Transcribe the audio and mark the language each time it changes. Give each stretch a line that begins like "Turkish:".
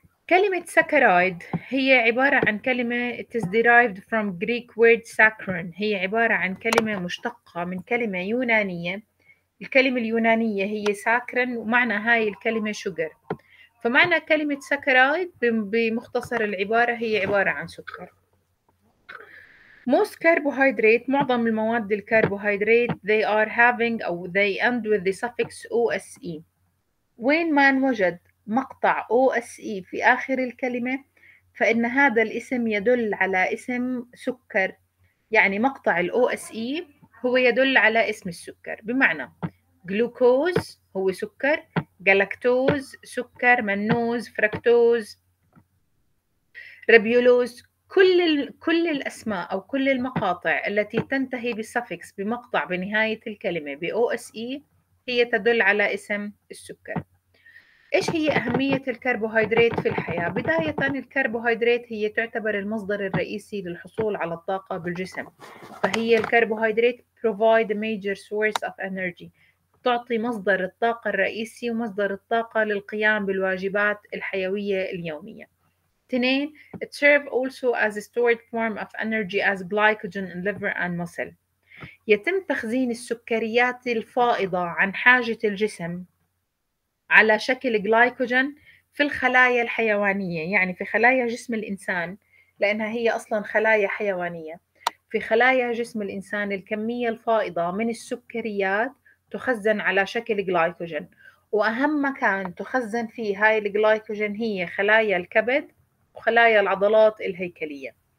Arabic: كلمة ساكرايد هي عبارة عن كلمة
English: it is derived from Greek word saccharin،
Arabic: هي عبارة عن كلمة مشتقة من كلمة يونانية. الكلمة اليونانية هي ساكرن، ومعنى هاي الكلمة sugar. فمعنى كلمة ساكرايد بمختصر العبارة هي عبارة عن سكر.
English: Most carbohydrate،
Arabic: معظم المواد الكربوهيدرات
English: they are having
Arabic: أو
English: they end with the suffix OSE.
Arabic: وين ما نوجد مقطع OSE في آخر الكلمة فإن هذا الاسم يدل على اسم سكر. يعني مقطع ال OSE هو يدل على اسم السكر، بمعنى جلوكوز هو سكر، جالاكتوز سكر، منوز، فركتوز، ريبيولوز. كل الأسماء أو كل المقاطع التي تنتهي بسفكس بمقطع بنهاية الكلمة بـ OSE هي تدل على اسم السكر. إيش هي أهمية الكربوهيدرات في الحياة؟ بداية، الكربوهيدرات هي تعتبر المصدر الرئيسي للحصول على الطاقة بالجسم، فهي الكربوهيدرات
English: provide a major source of energy،
Arabic: تعطي مصدر الطاقة الرئيسي ومصدر الطاقة للقيام بالواجبات الحيوية اليومية.
English: 2، it serves also as a stored form of energy as glycogen in liver and muscle.
Arabic: يتم تخزين السكريات الفائضة عن حاجة الجسم على شكل جلايكوجين في الخلايا الحيوانية، يعني في خلايا جسم الإنسان، لأنها هي أصلاً خلايا حيوانية. في خلايا جسم الإنسان الكمية الفائضة من السكريات تخزن على شكل جلايكوجين، وأهم مكان تخزن فيه هاي الجلايكوجين هي خلايا الكبد وخلايا العضلات الهيكلية.